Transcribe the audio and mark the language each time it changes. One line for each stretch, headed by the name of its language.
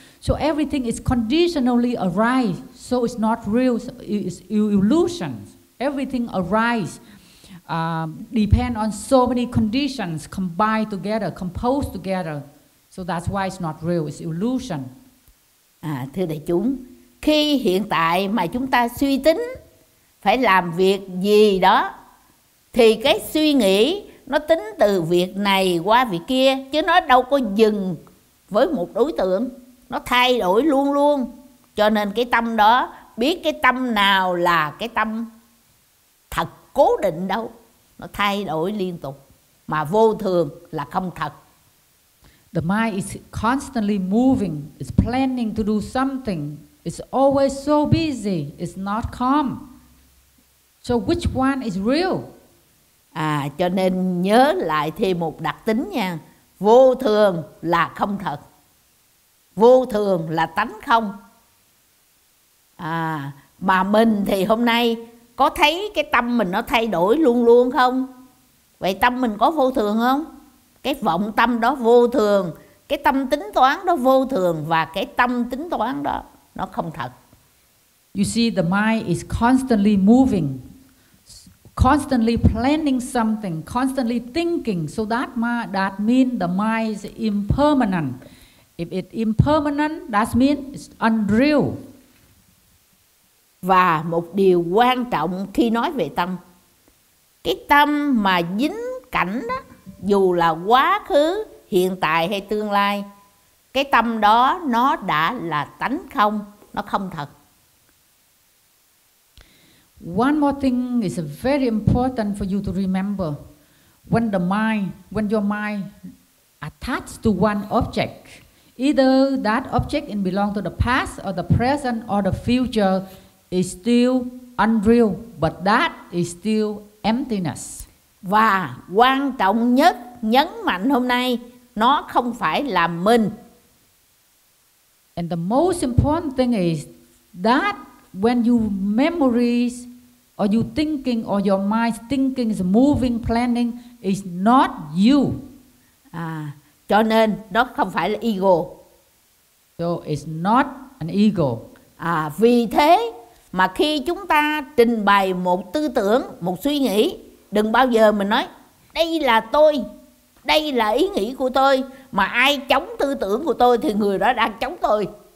English: So everything is conditionally arise. So it's not real, so it's illusion. Everything arise. Depend on so many conditions combined together, composed together. So that's why it's not real, it's illusion.
Vietnamese: Thưa đại chúng, khi hiện tại mà chúng ta suy tính phải làm việc gì đó, thì cái suy nghĩ nó tính từ việc này qua việc kia, chứ nó đâu có dừng với một đối tượng. Nó thay đổi luôn luôn. Cho nên cái tâm đó, biết cái tâm nào là cái tâm thật cố định đâu, nó thay đổi liên tục, mà vô thường là không thật.
English: The mind is constantly moving, it's planning to do something, it's always so busy, it's not calm. So which one is real?
Vietnamese: Cho nên nhớ lại thêm một đặc tính nha, vô thường là không thật, vô thường là tánh không. Mà mình thì hôm nay có thấy cái tâm mình nó thay đổi luôn luôn không? Vậy tâm mình có vô thường không? Cái vọng tâm đó vô thường, cái tâm tính toán đó vô thường, và cái tâm tính toán đó nó không thật.
English: You see, the mind is constantly moving, constantly planning something, constantly thinking. So that means the mind is impermanent. If it's impermanent, that means it's unreal.
Vietnamese: Và một điều quan trọng khi nói về tâm, cái tâm mà dính cảnh đó, dù là quá khứ, hiện tại hay tương lai, cái tâm đó nó đã là tánh không, nó không thật.
English: One more thing is very important for you to remember. When the mind, when your mind attached to one object, either that object it belong to the past or the present or the future, is still unreal, but that is still emptiness.
Vietnamese: Và quan trọng nhất nhấn mạnh hôm nay, nó không phải là mình.
English: And the most important thing is that when you memories or you thinking or your mind thinking is moving, planning, is not you.
Vietnamese: À, cho nên nó không phải là ego.
English: So it's not an ego.
Vietnamese: À, vì thế mà khi chúng ta trình bày một tư tưởng, một suy nghĩ, đừng bao giờ mình nói đây là tôi, đây là ý nghĩ của tôi, mà ai chống tư tưởng của tôi thì người đó đang chống tôi.